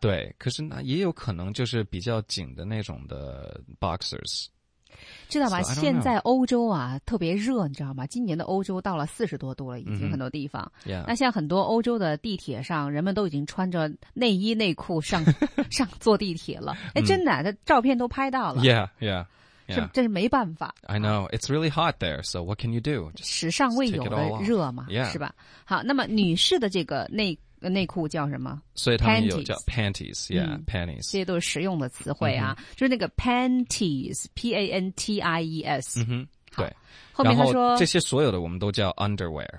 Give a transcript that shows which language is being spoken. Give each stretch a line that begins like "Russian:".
Chinese: 对，可是那也有可能就是比较紧的那种的 boxers。知道吗、
English: so、
Chinese: 现在欧洲啊特别热你知道吗，今年的欧洲到了40多度了已经、很多地方、
English: yeah.
Chinese: 那像很多欧洲的地铁上人们都已经穿着内衣内裤上上坐地铁了，哎，真的、这照片都拍到了
English: yeah, yeah, yeah.
Chinese: 是这是没办法
English: I know it's really hot there so what can you do、Just、
Chinese: 时尚未有的热嘛、
English: yeah.
Chinese: 是吧。好，那么女士的这个内裤叫什么？所以他们有叫 panties， yeah， panties，这些都是实用的词汇啊。就是那个 panties， P-A-N-T-I-E-S。对。后面他说这些所有的我们都叫 underwear。